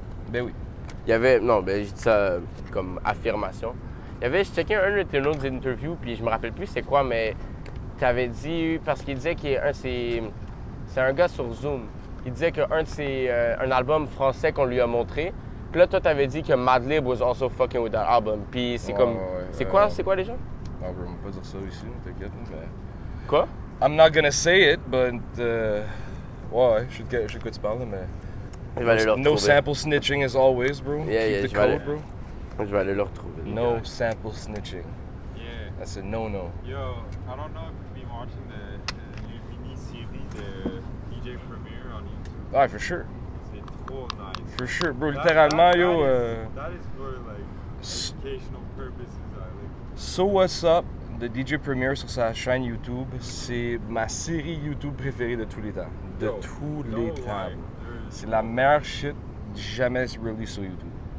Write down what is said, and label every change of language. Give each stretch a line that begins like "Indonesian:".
French: Ben oui. Il y avait... Non, ben j'ai dit ça comme affirmation. Je checkais un de tes autres interviews, puis je me rappelle plus c'est quoi, mais tu avais dit, parce qu'il disait que c'est un gars sur Zoom. Il disait qu'un de ses. Un album français qu'on lui a montré. Puis là, toi, tu avais dit que Madlib
English: was also fucking with that album.
French: Puis c'est ouais, comme. Ouais, ouais. C'est quoi, c'est quoi déjà? Non, bro, on va pas dire ça ici, t'inquiète, mais. Quoi?
English: I'm not gonna say it, but.
French: Ouais, je sais de quoi tu parles, mais. Je vais aller le
English: retrouver. No sample snitching as always, bro. Yeah, keep the code, aller... bro.
French: Je vais aller le retrouver.
English: No sample snitching. Yeah. That's a no-no. Yo, I don't know if you've been watching the mini series de DJ Premier on YouTube.
French: Ouais,
English: for sure.
French: C'est trop nice.
English: For sure, bro. Littéralement, yo. That is for educational purposes.
French: So What's Up de DJ Premier sur sa chaîne YouTube, c'est ma série YouTube préférée de tous les temps. De tous les temps. C'est la meilleure shit jamais released sur YouTube.